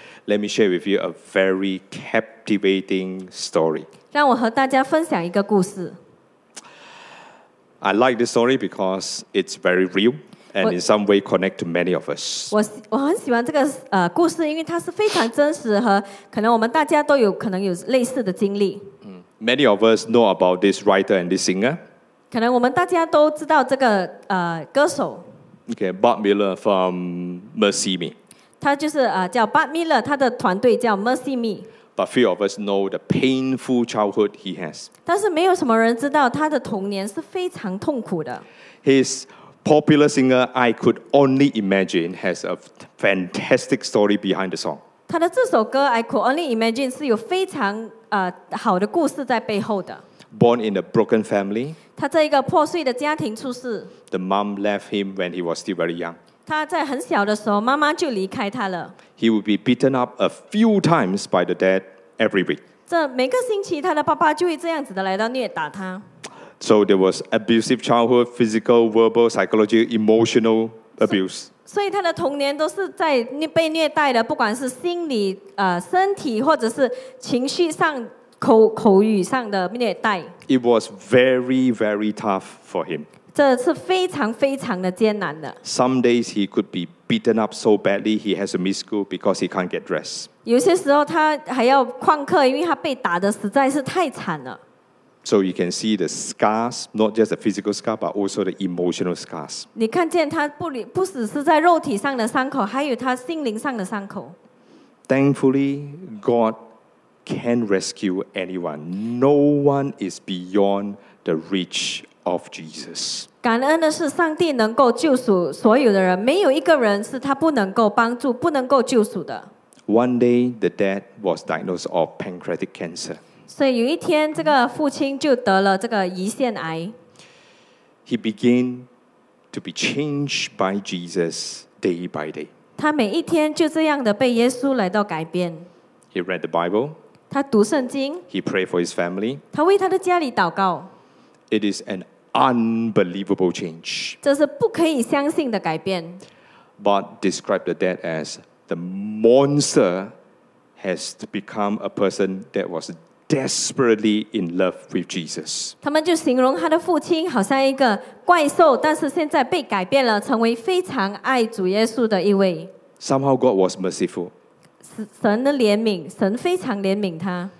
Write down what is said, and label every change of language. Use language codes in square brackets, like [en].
[en] Let me share with you a very captivating story. [zh] 让我和大家分享一个故事。 [en] I like this story because it's very real and in some way connect to many of us. [zh] 我很喜欢这个故事，因为它是非常真实和可能我们大家都有可能有类似的经历。 [en] Many of us know about this writer and this singer. [zh] 可能我们大家都知道这个歌手。 [en] Okay, Bob Miller from Mercy Me. [zh] 他就是叫 Bob Miller， 他的团队叫 Mercy Me。 [en] But few of us know the painful childhood he has. [zh] 但是没有什么人知道他的童年是非常痛苦的。 [en] His popular singer, I could only imagine, has a fantastic story behind the song. [zh] 他的这首歌 I could only imagine 是有非常好的故事在背后的。 [en] Born in a broken family. [zh] 他在一个破碎的家庭出世。 [en] The mom left him when he was still very young. [zh] 他在很小的时候，妈妈就离开他了。 [en] He would be beaten up a few times by the dad every week. [zh] 这每个星期，他的爸爸就会这样子的来到虐打他。 [en] So there was abusive childhood, physical, verbal, psychological, emotional abuse. [zh] 所以他的童年都是在被虐待的，不管是心理、身体或者是情绪上、口语上的虐待。 [en] It was very, very tough for him. [zh] 这是非常非常的艰难的。 [en] Some days he could be beaten up so badly he has to miss school because he can't get dressed. [zh] 有些时候他还要旷课，因为他被打得实在是太惨了。 [en] So you can see the scars, not just the physical scar, but also the emotional scars. [zh] 你看见他不只是在肉体上的伤口，还有他心灵上的伤口。 [en] Thankfully, God can rescue anyone. No one is beyond the reach. Of Jesus. [zh] 感恩的是上帝能够救赎所有的人，没有一个人是他不能够帮助、不能够救赎的。 [en] One day, the dad was diagnosed of pancreatic cancer. [zh] 所以有一天，这个父亲就得了这个胰腺癌。 [en] He began to be changed by Jesus day by day. [zh] 他每一天就这样的被耶稣来到改变。 [en] He read the Bible. [zh] 他读圣经。 [en] He prayed for his family. [zh] 他为他的家里祷告。 [en] It is an unbelievable change. [zh] 这是不可以相信的改变。 [en] But describe the dad as the monster has become a person that was desperately in love with Jesus. [zh] 他们就形容他的父亲好像一个怪兽，但是现在被改变了，成为非常爱主耶稣的一位。 [en] Somehow God was merciful. [zh] 神的怜悯，神非常怜悯他。